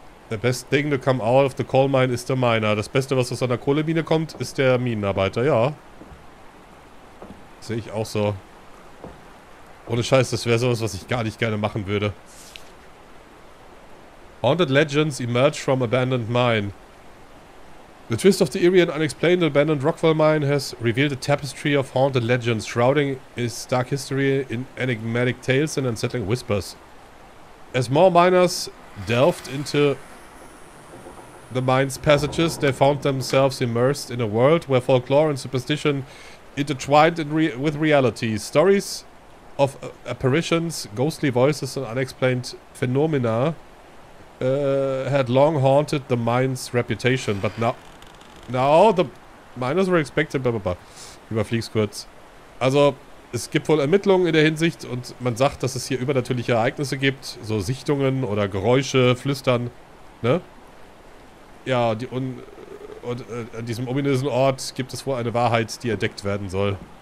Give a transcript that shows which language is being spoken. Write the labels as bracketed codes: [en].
[en] The best thing to come out of the coal mine is the miner. [de] Das Beste, was aus einer Kohlemine kommt, ist der Minenarbeiter, ja. Sehe ich auch so. Ohne Scheiß, das wäre sowas, was ich gar nicht gerne machen würde. [en] Haunted Legends emerge from abandoned mine. The twist of the eerie and unexplained abandoned Rockwell mine has revealed a tapestry of haunted legends, shrouding its dark history in enigmatic tales and unsettling whispers. As more miners delved into the mine's passages, they found themselves immersed in a world where folklore and superstition intertwined with reality. Stories of apparitions, ghostly voices and unexplained phenomena had long haunted the mine's reputation, but now the miners were expected, blah, blah, blah. [de] Überflieg's kurz. Also, es gibt wohl Ermittlungen in der Hinsicht und man sagt, dass es hier übernatürliche Ereignisse gibt, so Sichtungen oder Geräusche, Flüstern, ne? Ja, an diesem ominösen Ort gibt es wohl eine Wahrheit, die entdeckt werden soll.